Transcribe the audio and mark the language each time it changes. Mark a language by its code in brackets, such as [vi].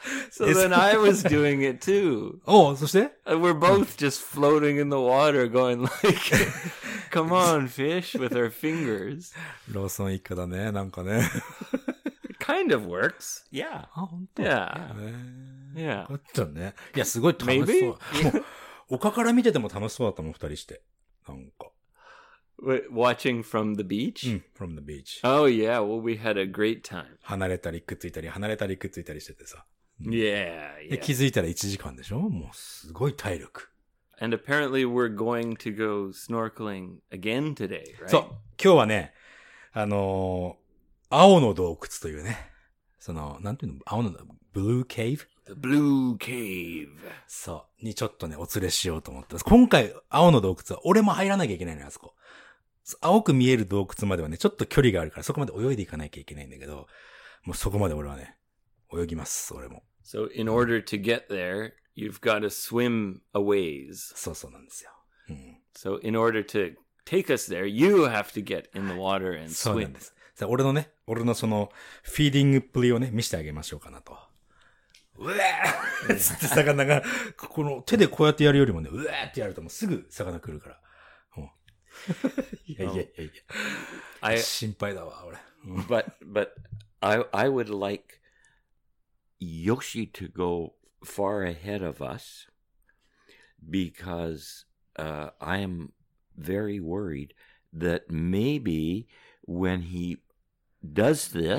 [en] So then I was doing it too. [ja] おう、そして [en] ?We're both just floating in the water going like, come on, fish, with our fingers. [ja] ローソン一家だね、なんかね。 [en] Kind of works. Yeah. [ja] あ、本当。 [en] Yeah. Yeah. [ja] よかったね。いや、すごい楽しそう。Maybe? もう、丘から見てても楽しそうだったもん、二人して。なんか。 [en] Watching from the beach? [ja] うん、 from the beach. [en] Oh, yeah. Well, we had a great time. [ja] 離れたりくっついたり、離れたりくっついたりしててさ。う [en] ん、yeah, yeah. [ja] で、気づいたら1時間でしょ? もう、すごい体力。 [en] And apparently we're going to go snorkeling again today, right? [ja] そう。今日はね、青の洞窟というね。その、なんていうの?青の、ブルーケーブ? ブルーケーブ。そう。にちょっとね、お連れしようと思ってます。今回、青の洞窟は、俺も入らなきゃいけないのよ、あそこ。青く見える洞窟まではね、ちょっと距離があるから、そこまで泳いでいかなきゃいけないんだけど、もうそこまで俺はね、泳ぎます、俺も。 [en] So, in order to get there, you've got to swim a ways. [ja] そうそうなんですよ。うん、 [en] so, in order to take us there, you have to get in the water and swim. [ja] そうなんです。さあ、俺のね、俺のその、フィーディングっぷりをね、見せてあげましょうかなと。うわーって魚が、この手でこうやってやるよりもね、うわーってやるともうすぐ魚来るから。もういやいやいやいや。心配だわ、俺。 [en] but, I would like Yoshi to go far ahead of us because, I am very worried that maybe when he does this,